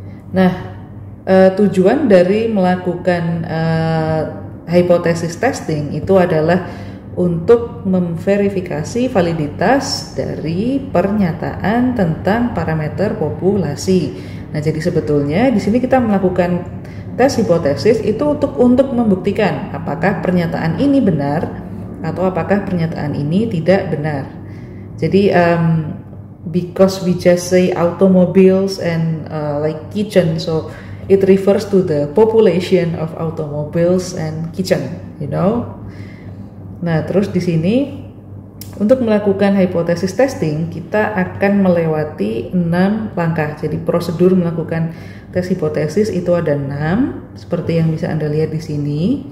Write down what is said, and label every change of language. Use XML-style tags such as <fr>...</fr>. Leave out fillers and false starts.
<id>Nah, tujuan dari melakukan hipotesis testing itu adalah untuk memverifikasi validitas dari pernyataan tentang parameter populasi. Nah, jadi sebetulnya di sini kita melakukan tes hipotesis itu untuk membuktikan apakah pernyataan ini benar atau apakah pernyataan ini tidak benar.</id> <en>Jadi because we just say automobiles and like kitchen, so it refers to the population of automobiles and kitchen, you know.</en> <id>Nah, terus di sini untuk melakukan hipotesis testing, kita akan melewati 6 langkah. Jadi prosedur melakukan tes hipotesis itu ada 6, seperti yang bisa Anda lihat di sini.</id>